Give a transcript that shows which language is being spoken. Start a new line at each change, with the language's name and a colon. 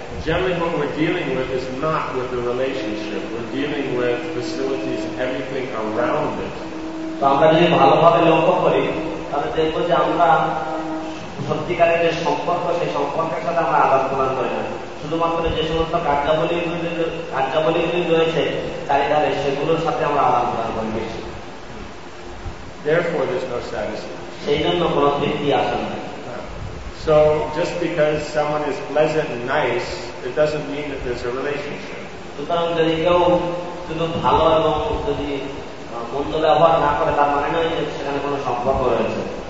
English: Generally what we're dealing with is not with the relationship. We're dealing with facilities and everything around it.
Bangla: তো আমরা যদি ভালোভাবে লক্ষ্য করি তাহলে দেখবো যে আমরা সত্যিকারের যে সম্পর্ক সেই সম্পর্কের সাথে আমরা আদান প্রদান করি না, শুধুমাত্র যে সমস্ত কার্যাবলীগুলি রয়েছে চারিধারে সেগুলোর সাথে আমরা আদান প্রদান করি বেশি।
English: Therefore, there's no satisfaction.
Bangla: সেই জন্য কোন তৃপ্তি আসে না।
English: So just because someone is pleasant and nice, it doesn't mean that there's a relationship.
Bangla: সুতরাং যদি কেউ শুধু ভালো এবং যদি মন্দ ব্যবহার না করে তার মানে নয় যে সেখানে কোন সম্পর্ক রয়েছে।